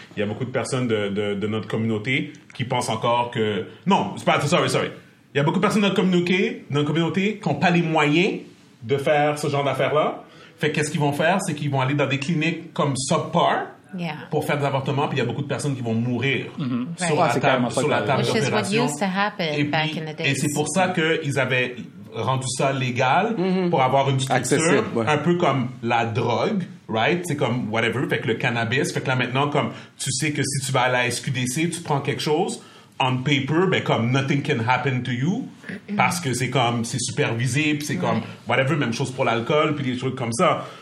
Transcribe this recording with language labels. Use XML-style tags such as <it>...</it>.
<fr>Il y a beaucoup de personnes de notre communauté qui pensent encore que. Non, c'est pas. Sorry. Il y a beaucoup de personnes dans la communauté qui n'ont pas les moyens de faire ce genre d'affaires-là. Fait qu'est-ce qu'ils vont faire? C'est qu'ils vont aller dans des cliniques comme subpar pour faire des avortements. Puis il y a beaucoup de personnes qui vont mourir sur la table d'opération.</fr> <en>Which is what used to happen back in the days.</en> <fr>Et c'est pour ça qu'ils avaient rendu ça légal pour avoir une structure un peu comme la drogue. Right? C'est comme whatever. Fait que le cannabis. Fait que là maintenant, comme tu sais que si tu vas à la SQDC, tu prends quelque chose...</fr> <en>On paper,</en> <fr>ben comme</fr> <en>nothing can happen to you,</en> <fr>parce que c'est comme c'est supervisé, puis c'est comme whatever, même chose pour l'alcool, puis des trucs comme ça.</fr>